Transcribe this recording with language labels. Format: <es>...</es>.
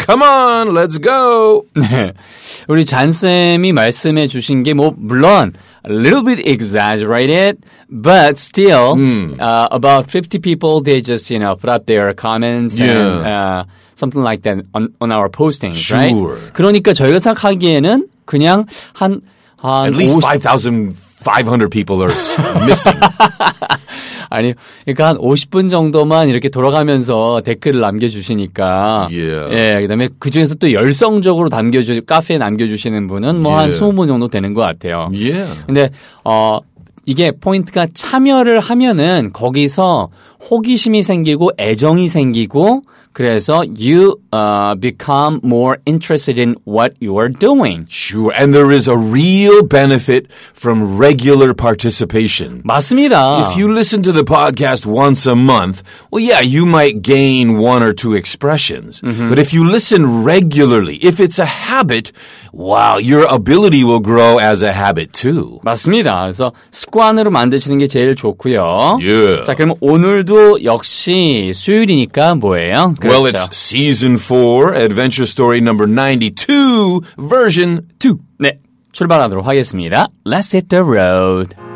<en>Come on, let's go.</en> <ko>우리 잔쌤이 말씀해 주신 게 뭐 물론</ko> <en>a little bit exaggerated, but still, about 50 people, they just, you know, put up their comments and something like that on our posting, sure. right? Sure.</en> <ko>그러니까 저희가 생각하기에는 그냥</ko> <en>at least 5,500 people are missing.</en> <ko>아니, 그러니까 한 50분 정도만 이렇게 돌아가면서 댓글을 남겨주시니까.</ko> <en>Yeah.</en> <ko>예. 그 다음에 그 중에서 또 열성적으로 카페에 남겨주시는 분은 뭐 한 yeah. 20분 정도 되는 것 같아요. 예. Yeah. 근데, 이게 포인트가 참여를 하면은 거기서 호기심이 생기고 애정이 생기고 그래서</ko> <en>you become more interested in what you are doing. Sure. And there is a real benefit from regular participation.</en> <ko>맞습니다.</ko> <en>If you listen to the podcast once a month, well, yeah, you might gain one or two expressions. Mm-hmm. But if you listen regularly, if it's a habit, wow, your ability will grow as a habit too.</en> <ko>맞습니다. 그래서 습관으로 만드시는 게 제일 좋고요.</ko> <en>Yeah.</en> <ko>자, 그럼 오늘도 역시 수요일이니까 뭐예요?</ko> <en>Well, it's season 4, adventure story number 92, version 2.</en> <ko>네, 출발하도록 하겠습니다.</ko> <en>Let's hit the road.</en>